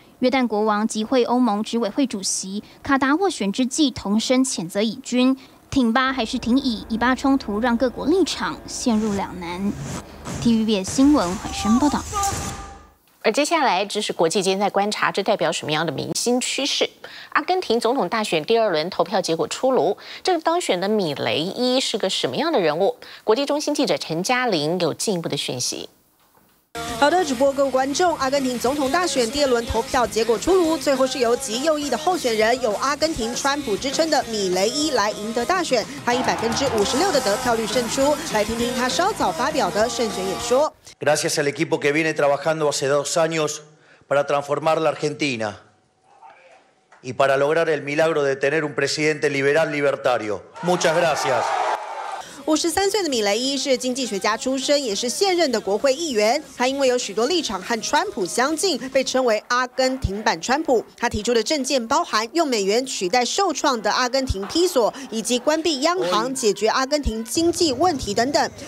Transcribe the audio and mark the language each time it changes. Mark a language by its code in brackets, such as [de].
[zh] 约旦国王集会欧盟执委会主席卡达斡旋之际，同声谴责以军，挺巴还是挺以？以巴冲突让各国立场陷入两难。 TVBS 新闻缓声报道。而接下来，这是国际间在观察，这代表什么样的民心趋势？阿根廷总统大选第二轮投票结果出炉，这个当选的米雷伊是个什么样的人物？国际中心记者陈嘉玲有进一步的讯息。好的，主播各位观众，阿根廷总统大选第二轮投票结果出炉，最后是由极右翼的候选人，有阿根廷川普之称的米雷伊来赢得大选，他以56%的得票率胜出。来听听他稍早发表的胜选演说。 [es] Gracias al equipo que viene trabajando hace dos años para transformar la Argentina y para lograr el milagro de tener un presidente liberal libertario. Muchas gracias. [zh] 53岁的米雷伊是经济学家出身，也是现任的国会议员。他因为有许多立场和川普相近，被称为阿根廷版川普。他提出的政见包含用美元取代受创的阿根廷披索，以及关闭央行、解决阿根廷经济问题等等。